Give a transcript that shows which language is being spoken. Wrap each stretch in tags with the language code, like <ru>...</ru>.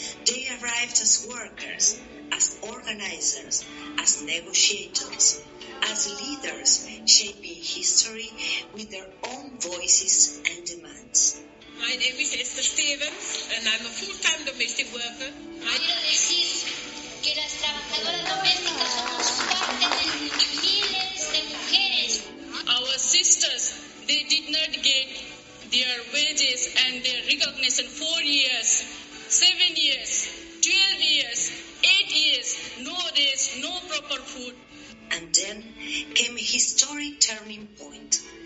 <en>They arrived as workers, as organizers, as negotiators, as leaders shaping history with their own voices and demands. My name is Esther Stevens, and I'm a full-time domestic worker.</en> <es>I quiero decir que las trabajadoras domésticas somos parte de miles de mujeres.</es> <en>Our sisters, they did not get their wages and their recognition 4 years, 7 years, 12 years, 8 years, no rest, no proper food. And then came a historic turning point.</en>